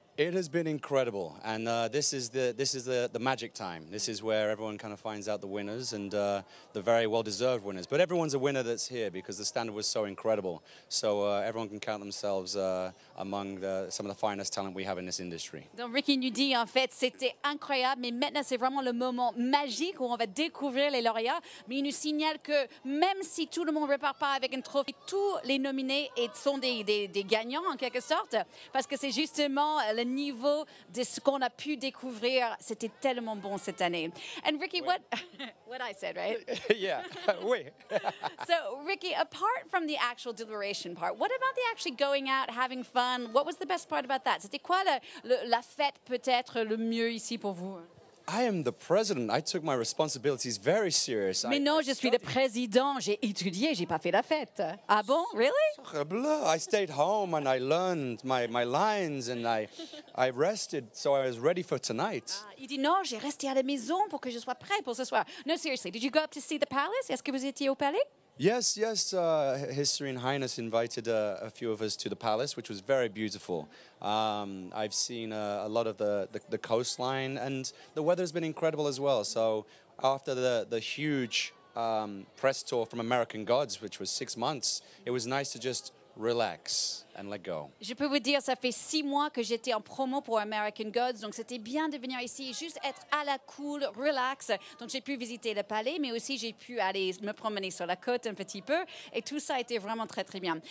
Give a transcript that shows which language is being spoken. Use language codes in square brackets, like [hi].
[en] It has been incredible, and this is the magic time. This is where everyone kind of finds out the winners and the very well-deserved winners. But everyone's a winner that's here because the standard was so incredible. So everyone can count themselves among some of the finest talent we have in this industry. [fr] Donc Ricky nous dit en fait c'était incroyable, mais maintenant c'est vraiment le moment magique où on va découvrir les lauréats. Mais il nous signale que même si tout le monde repart pas avec un trophée, tous les nominés sont des gagnants en quelque sorte, parce que c'est justement le niveau de ce qu'on a pu découvrir, c'était tellement bon cette année. [en] And Ricky, what I said, right? Yeah, oui. So, Ricky, apart from the actual deliberation part, what about the actually going out, having fun? What was the best part about that? [fr] C'était quoi la fête peut-être le mieux ici pour vous? [en] I am the president. I took my responsibilities very serious. [fr] Mais non, je suis le président. J'ai étudié, j'ai pas fait la fête. Ah bon? [en] Really? I stayed home and I learned my lines and I rested so I was ready for tonight. [fr] Il dit non, j'ai resté à la maison pour que je sois prêt pour ce soir. [en] No, seriously, did you go up to see the palace? [fr] Est-ce que vous étiez au palais? [en] Yes, His Serene Highness invited a few of us to the palace, which was very beautiful. I've seen a lot of the coastline, and the weather has been incredible as well. So after the huge press tour from American Gods, which was 6 months, it was nice to just relax and let go. [fr] Je peux vous dire, ça fait 6 mois que j'étais en promo pour American Gods, donc c'était bien de venir ici et juste être à la cool, relax. Donc j'ai pu visiter le palais, mais aussi j'ai pu aller me promener sur la côte un petit peu, et tout ça a été vraiment très, très bien.